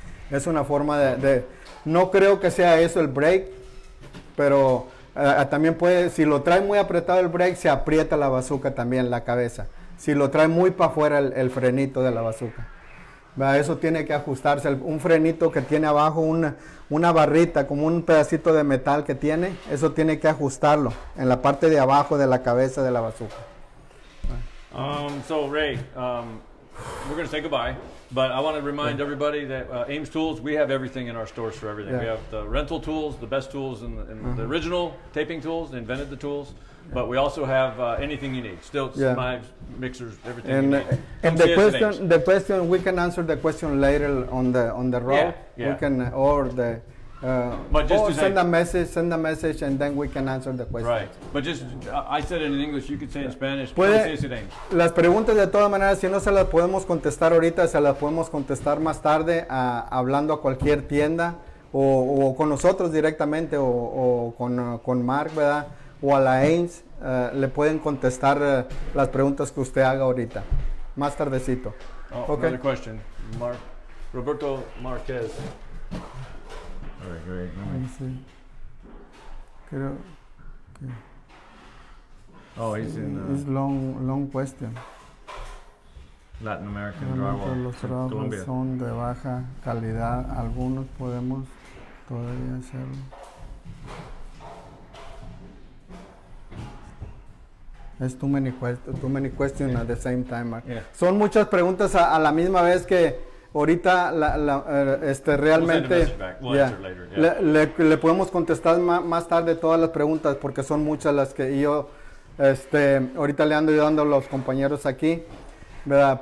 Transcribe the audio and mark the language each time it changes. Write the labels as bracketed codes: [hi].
[es] Es una forma de no creo que sea eso el brake, pero también puede, si lo trae muy apretado el brake, se aprieta la bazooka también, la cabeza. Si lo trae muy para afuera el frenito de la bazooka. Eso tiene que ajustarse, un frenito que tiene abajo, una barrita, como un pedacito de metal que tiene, eso tiene que ajustarlo en la parte de abajo de la cabeza de la bazooka. [en] So Ray, we're going to say goodbye, but I want to remind everybody that Ames Tools, we have everything in our stores for everything. Yeah. We have the rental tools, the best tools, and uh-huh. the original taping tools, invented the tools. But we also have anything you need. Stilts, yeah. knives, mixers, everything and, you need. Come and the question, the question, we can answer the question later on the road. Yeah. We can, or the, but just or send a message, and then we can answer the question. Right. But just, I said it in English, you could say yeah. in Spanish. [es] Puede, las preguntas de todas maneras, si no se las podemos contestar ahorita, se las podemos contestar más tarde hablando a cualquier tienda o con nosotros directamente o con Mark, ¿verdad? O a la Ames, le pueden contestar las preguntas que usted haga ahorita, más tardecito. [en] Oh, okay. Another question. Roberto Marquez. All right, great. All right. Let me see. [es] Creo que... [en] Oh, he's sí, in... It's long question. Latin American drywall. [es] Los trabajos son de baja calidad. Algunos podemos todavía hacerlo. [en] Es too many questions at the same time, Mark. Yeah. [es] Son muchas preguntas a la misma vez que ahorita realmente le podemos contestar más tarde todas las preguntas, porque son muchas las que yo ahorita le ando ayudando a los compañeros aquí, ¿verdad?